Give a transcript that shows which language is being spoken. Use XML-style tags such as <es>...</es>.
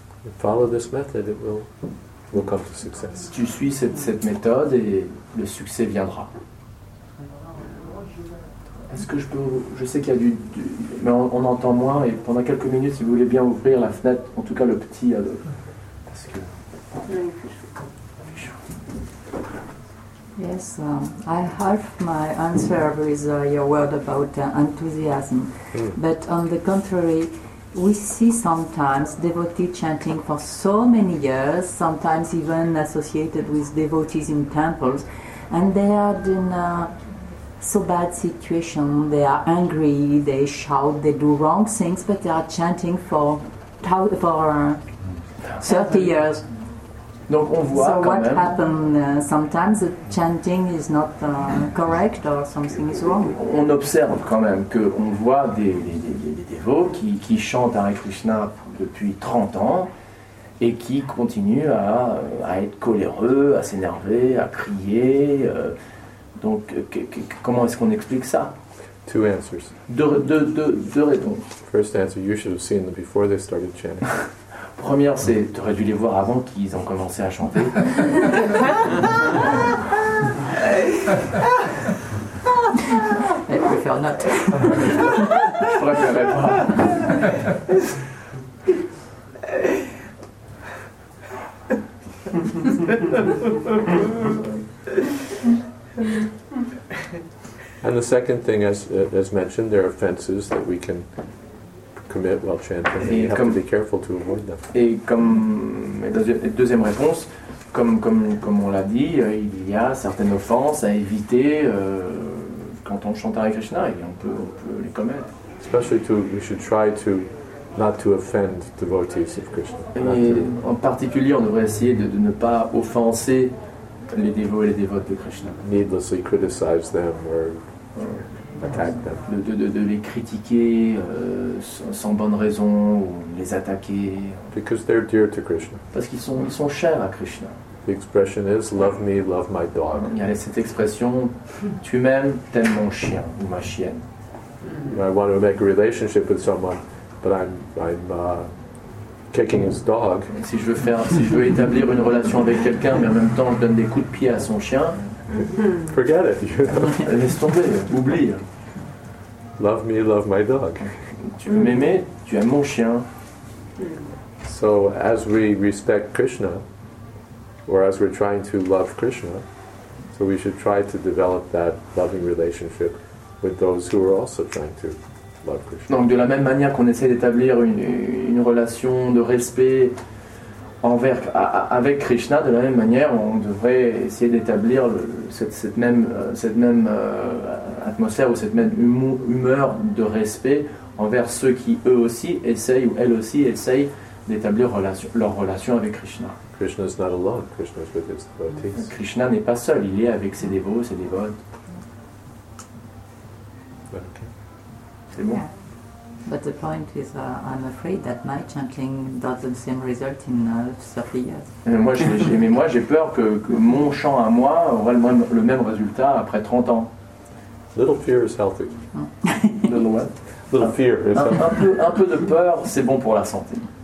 <en>And follow this method, it will come to success.</en> <fr>Tu suis cette méthode et le succès viendra. Est-ce que je peux... Je sais qu'il y a du mais on entend moins, et pendant quelques minutes, si vous voulez bien ouvrir la fenêtre, en tout cas le petit... Parce que...</fr> <en>Yes, I have my answer with your word about enthusiasm. But on the contrary, we see sometimes devotees chanting for so many years, sometimes even associated with devotees in temples, and they are in a... so bad situation, they are angry, they shout, they do wrong things, but they are chanting for 30 years.</en> <fr>Donc on voit</fr> <en>so</en> <fr>quand même.</fr> <en>Happened, sometimes the chanting is not correct or something is wrong.</en> <fr>On observe quand même qu'on voit des dévots qui chantent Hare Krishna depuis 30 ans et qui continuent à être coléreux, à s'énerver, à crier... Donc, comment est-ce qu'on explique ça?</fr> <en>Two answers.</en> <fr>Deux réponses.</fr> <en>First answer, you should have seen them before they started chanting.</en> <fr>Première, c'est, tu aurais dû les voir avant qu'ils ont commencé à chanter.</fr> <en>I prefer not.</en> <fr>Je préférerais pas.</fr> <en>And the second thing, as mentioned, there are offenses that we can commit while chanting.</en> <fr>Et</fr> <en>you have to be careful to avoid them.</en> <fr>Et comme deuxième réponse, comme on l'a dit, il y a certaines offenses à éviter quand on chante Hare Krishna, et on peut les commettre.</fr> <en>Especially we should try to not to offend devotees of Krishna.</en> <fr>En particulier, on devrait essayer de ne pas offenser les dévots et les dévotes de Krishna.</fr> <en>Needlessly criticize them or attack them.</en> <fr>De les critiquer sans bonne raison ou les attaquer.</fr> <en>Because they're dear to Krishna.</en> <fr>Parce qu'ils sont chers à Krishna.</fr> <en>The expression is love me, love my dog.</en> <fr>Il y a cette expression, tu m'aimes, t'aimes mon chien ou ma chienne.</fr> <en>I want to make a relationship with someone, but I'm kicking his dog.</en> <fr>Si je veux établir une relation avec quelqu'un, mais en même temps je donne des coups de pied à son chien.</fr> <en>Forget it.</en> <fr>Laisse tomber. Oublie.</fr> <en>Love me, love my dog.</en> <fr>Tu veux m'aimer, tu aimes mon chien.</fr> <en>So as we respect Krishna, or as we're trying to love Krishna, so we should try to develop that loving relationship with those who are also trying to love Krishna.</en> <fr>Donc de la même manière qu'on essaie d'établir une relation de respect envers avec Krishna, de la même manière on devrait essayer d'établir cette même atmosphère ou cette même humeur de respect envers ceux qui eux aussi essayent ou elles aussi essayent d'établir leur relation avec Krishna.</fr> <en>Krishna is not alone. Krishna is with his devotees.</en> <fr>Krishna n'est pas seul. Il est avec ses dévots, ses dévotes.</fr> <en>But the point is, I'm afraid that my chanting doesn't have the same result in 30 years.</en> <fr>Mais moi, j'ai peur que mon chant à moi aura le même résultat après 30 ans.</fr> <en>Little fear is healthy. Little what? Little fear is healthy.</en> <fr>Un peu de peur, c'est bon pour la santé.</fr>